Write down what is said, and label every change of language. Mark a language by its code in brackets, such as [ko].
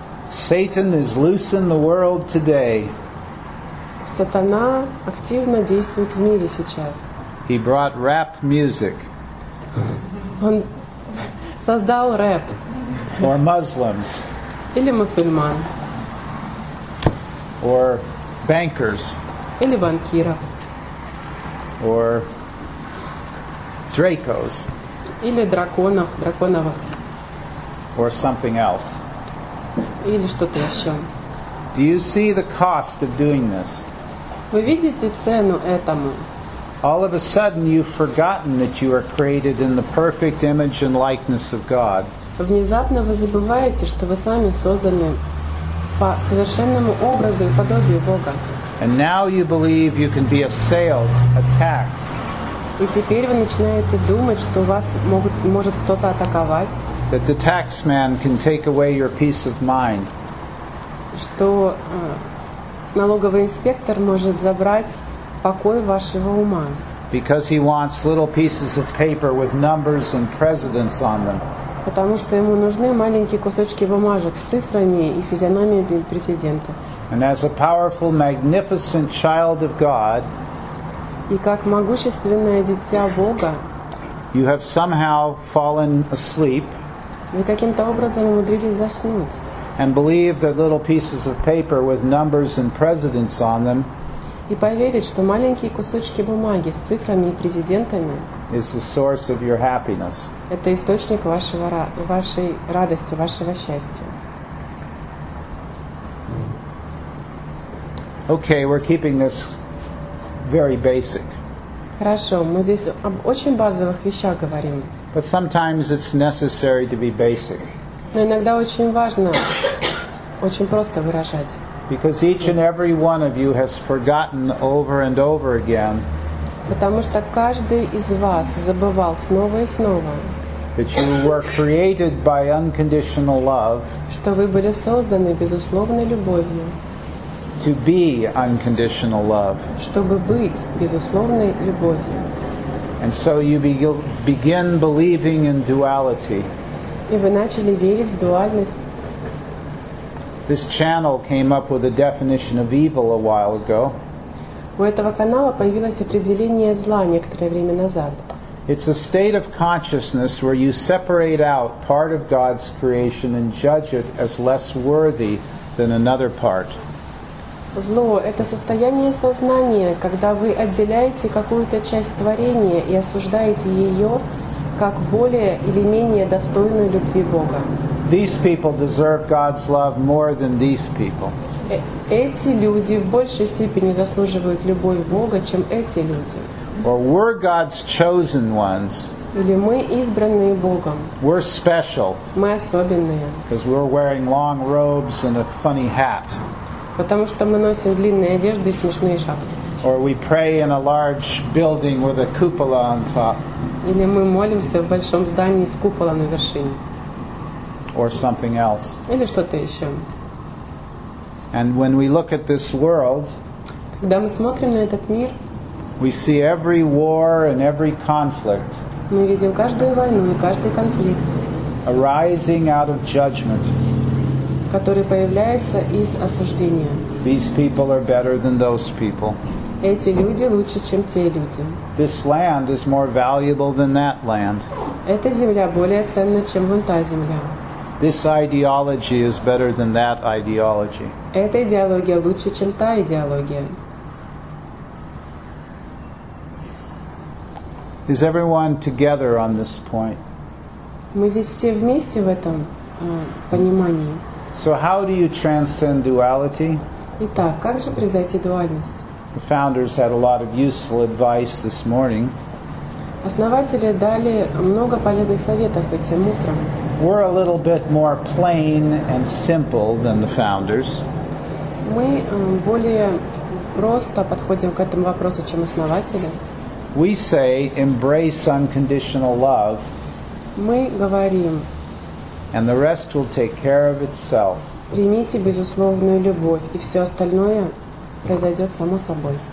[en] Satan is loose in the world today. [ru] Сатана активно действует в мире сейчас. [en] He brought rap music. [ru] Он создал рэп. [en] Or Muslims. [ru] Или мусульман. [en] Or bankers. [ru] Или банкиров. [en] Or Dracos. [ru] Или драконов, драконовых. [en] Or something else. [ru] Или что-то еще. [en] Do you see the cost of doing this? [ru] Вы видите цену этому? [en] All of a sudden you've forgotten that you are created in the perfect image and likeness of God. [ru] Внезапно вы забываете, что вы сами созданы по совершенному образу и подобию Бога. [en] And now you believe you can be assailed, attacked. [ru] И теперь вы начинаете думать, что вас может кто-то атаковать. [en] That the tax man can take away your peace of mind. [ru] Что налоговый инспектор может забрать покой вашего ума. [en] Because he wants little pieces of paper with numbers and presidents on them. [ru] Потому что ему нужны маленькие кусочки бумажек с цифрами и физиономиями президента. [en] And as a powerful, magnificent child of God, [ru] и как могущественное дитя Бога, [en] you have somehow fallen asleep. [ru] Вы каким-то образом умудрились заснуть. [en] and believe that little pieces of paper with numbers and presidents on them [ru] и поверить, что маленькие кусочки бумаги с цифрами и президентами [en] is the source of your happiness. [ru] Это источник вашего вашей радости, вашего счастья. [en] Okay, we're keeping this very basic. [ru] Хорошо, мы здесь об очень базовых вещах говорим. [en] But sometimes it's necessary to be basic. [ru] Но иногда очень важно очень просто выражать. [en] Because each and every one of you has forgotten over and over again. [ru] Потому что каждый из вас забывал снова и снова. [en] That you were created by unconditional love. [ru] Что вы были созданы безусловной любовью. [en] To be unconditional love. [ru] Чтобы быть безусловной любовью. [en] And so you begin believing in duality. [ru] И вы начали верить в дуальность. [en] This channel came up with a definition of evil a while ago. [ru] У этого канала появилось определение зла некоторое время назад. [en] It's a state of consciousness where you separate out part of God's creation and judge it as less worthy than another part. [ru] Зло – это состояние сознания, когда вы отделяете какую-то часть творения и осуждаете ее как более или менее достойную любви Бога. [en] These people deserve God's love more than these people. [ru] Эти люди в большей степени заслуживают любовь Бога, чем эти люди. [en] Or we're God's chosen ones. [ru] Или мы избранные Богом. [en] We're special. [ru] Мы особенные. [en] Because we're wearing long robes and a funny hat. [ru] Потому что мы носим длинные одежды и смешные шапки. [en] Or we pray in a large building with a cupola on top. [ru] Или мы молимся в большом здании с купола на вершине. [en] Or something else. [ru] Или что-то еще. [en] And when we look at this world, [ru] когда мы смотрим на этот мир, [en] we see every war and every conflict. [ru] Мы видим каждую войну и каждый конфликт. [en] Arising out of judgment. [ru] Который появляется из осуждения. [en] These people are better than those people. [ru] Эти люди лучше, чем те люди. [en] This land is more valuable than that land. [ru] Эта земля более ценна, чем вон та земля. [en] This ideology is better than that ideology. [ru] Эта идеология лучше, чем та идеология. [en] Is everyone together on this point? [ru] Мы здесь все вместе в этом понимании. [en] So how do you transcend duality? [ru] Итак, как же произойти дуальность? [en] The founders had a lot of useful advice this morning. [ru] Основатели дали много полезных советов этим утром. [en] We're a little bit more plain and simple than the founders. [ru] Мы более просто подходим к этому вопросу, чем основатели. [en] We say embrace unconditional love. [ru] Мы говорим. [en] And the rest will take care of itself. [ru] Примите безусловную любовь, и все остальное произойдет само собой.